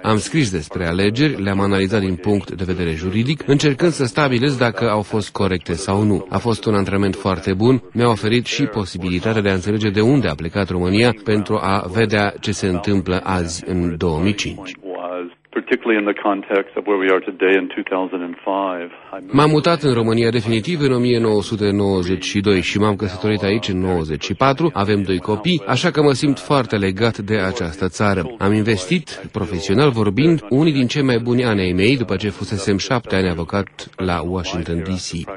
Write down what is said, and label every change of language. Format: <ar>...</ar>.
<ro>Am scris despre alegeri, le-am analizat din punct de vedere juridic, încercând să stabilez dacă au fost corecte sau nu. A fost un antrenament foarte bun, mi-a oferit și posibilitatea de a înțelege de unde a plecat România pentru a vedea ce se întâmplă azi în 2005.</ro> <en>Particularly in the context of where we are today in 2005.</en> <ro>M-am mutat în România definitiv în 1992 și m-am căsătorit aici în 94. Avem 2 copii, așa că mă simt foarte legat de această țară. Am investit, profesional vorbind, unii din cei mai buni ani ai mei după ce fusesem 7 ani avocat la Washington DC.</ro>